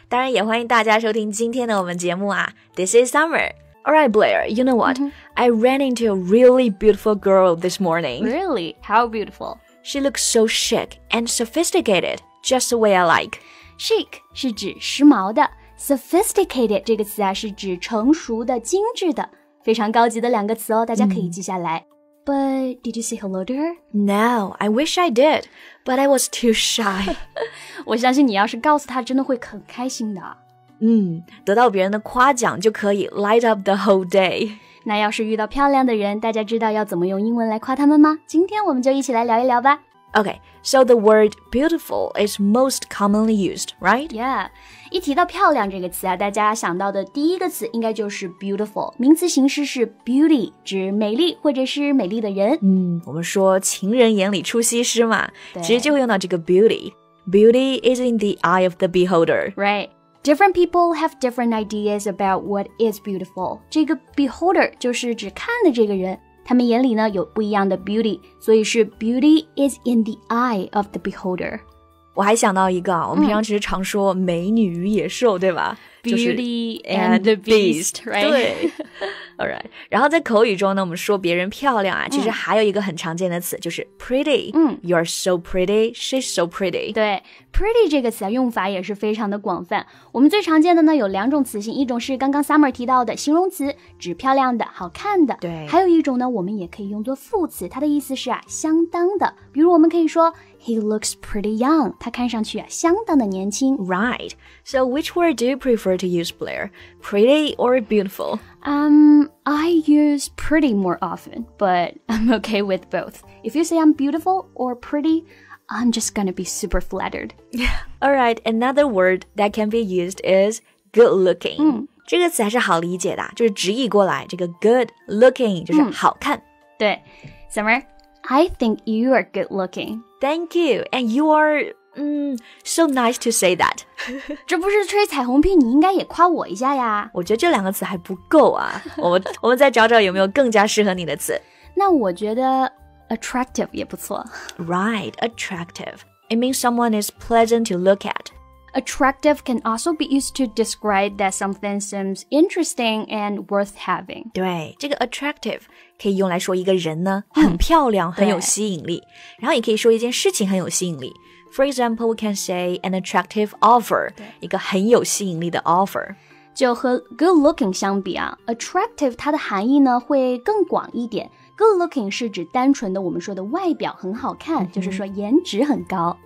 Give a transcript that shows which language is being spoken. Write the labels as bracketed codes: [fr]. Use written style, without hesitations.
[zh] 当然也欢迎大家收听今天的我们节目啊。 [en] This is Summer. All right, Blair. You know what?、Mm-hmm. I ran into a really beautiful girl this morning. Really? How beautiful? She looks so chic and sophisticated, just the way I like. [zh] Chic 是指时髦的。Sophisticated 这个词啊是指成熟的、精致的。非常高级的两个词哦，大家可以记下来。 [en] But did you say hello to her? No, I wish I did, but I was too shy. [zh] 我相信你要是告诉她，真的会很开心的。得到别人的夸奖就可以 [en] light up the whole day. [zh] 那要是遇到漂亮的人，大家知道要怎么用英文来夸他们吗？今天我们就一起来聊一聊吧。 [en] Okay, so the word beautiful is most commonly used, right? Yeah, [zh] 一提到漂亮这个词啊，大家想到的第一个词应该就是 beautiful, 名词形式是 beauty, 指美丽或者是美丽的人。我们说情人眼里出西施嘛，对，其实就会用到这个 beauty. [en] Beauty is in the eye of the beholder. Right. Different people have different ideas about what is beautiful. [zh] 这个 beholder 就是指看的这个人，他们眼里呢有不一样的 beauty, 所以是 [en] beauty is in the eye of the beholder. [zh] 我还想到一个，我们平常其实常说美女与野兽，对吧？ [en] Beauty、就是、and the beast, right? [zh] 对。 [en] All right. [zh] 然后在口语中呢，我们说别人漂亮啊，其实还有一个很常见的词，就是 pretty. [en] You're so pretty, she's so pretty. [zh] 对， pretty 这个词啊，用法也是非常的广泛。我们最常见的呢，有两种词性，一种是刚刚 Summer 提到的形容词，指漂亮的、好看的。对。还有一种呢，我们也可以用作副词，它的意思是啊，相当的。比如我们可以说 ， [en] He looks pretty young. [zh] 他看上去啊，相当的年轻。 [en] Right. So which word do you prefer to use, Blair? Pretty or beautiful? I use pretty more often, but I'm okay with both. If you say I'm beautiful or pretty, I'm just gonna be super flattered. All right, another word that can be used is good looking.、 [zh] 这个词还是好理解的，就是直译过来，这个 good looking 就是好看。对 [en] ，Summer, I think you are good looking. Thank you, and you are, so nice to say that. [zh] 这不是吹彩虹屁，你应该也夸我一下呀。我觉得这两个词还不够啊，我们再找找有没有更加适合你的词。那我觉得 attractive 也不错。 [en] Right, attractive. It means someone is pleasant to look at. Attractive can also be used to describe that something seems interesting and worth having. [zh] 对，这个 attractive 可以用来说一个人呢，很漂亮，很有吸引力。然后也可以说一件事情很有吸引力。 [en] For example, we can say an attractive offer, [zh] 一个很有吸引力的 [en] offer. [zh] 就和 good looking 相比啊 ,attractive 它的含义呢会更广一点。 Good looking 是指单纯的我们说的外表很好看、就是说颜值很高。